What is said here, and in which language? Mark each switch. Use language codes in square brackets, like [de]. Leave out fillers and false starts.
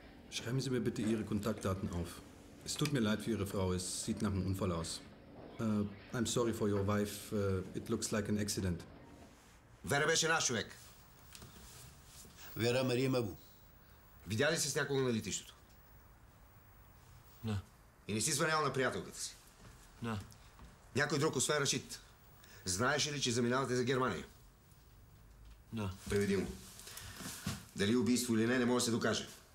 [de] Schreiben Sie mir bitte Ihre Kontaktdaten auf. Es tut mir leid für Ihre Frau, es sieht nach einem Unfall aus. [en] I'm sorry for your wife, it looks like an accident. Vera Beshenashuek. Vera Maria Mabu. [bg] Видяли се с някого на летището? Не. И не си звънял на приятелката си? Не. Някой друг, освен Рашид. Знаеш ли, че заминавате за Германия? Да. Приведи му. Дали убийство или не, не може да се докаже.